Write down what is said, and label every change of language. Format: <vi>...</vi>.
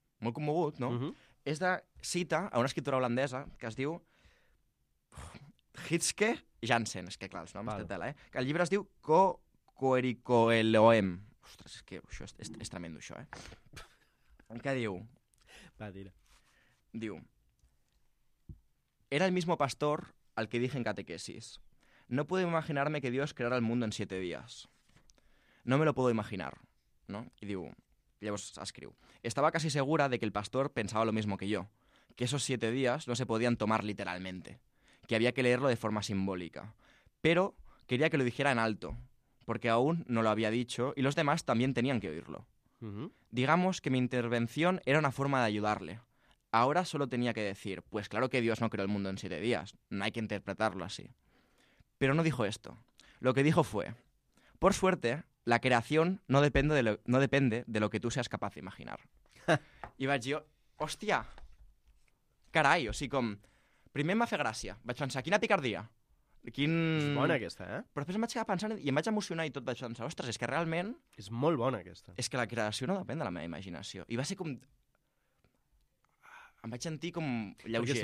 <ca>Molt commogut, no? És de cita a una escriptora holandesa que es diu Hitzke Janssen, és que clar, els noms de tela, eh? El llibre es diu Co-Coericoeloem. Ostres, és que això és tremendo, això, eh? Què diu? Va, dir-ho. Diu:</ca> <es>era el mismo pastor al que dije en catequesis. No puedo imaginarme que Dios creara el mundo en 7 días. No me lo puedo imaginar, ¿no? Y</es> <ca>diu, llavors escriu:</ca> <es>estaba casi segura de que el pastor pensaba lo mismo que yo, que esos 7 días no se podían tomar literalmente, que había que leerlo de forma simbólica. Pero quería que lo dijera en alto, porque aún no lo había dicho y los demás también tenían que oírlo. Digamos que mi intervención era una forma de ayudarle. Ahora solo tenía que decir, pues claro que Dios no creó el mundo en 7 días, no hay que interpretarlo así. Pero no dijo esto. Lo que dijo fue: por suerte, la creación no depende de lo que tú seas capaz de imaginar.</es> <ca>I vaig dir, hòstia, carai, o sigui, com... Primer em va fer gràcia, vaig pensar, quina picardia. Quin... És bona aquesta, eh? Però després em vaig quedar pensant i em vaig emocionar i tot, vaig pensar, ostres, és que realment... És molt bona aquesta. És que la creació no depèn de la meva imaginació. I va ser com... Em vaig sentir com lleuger.</ca>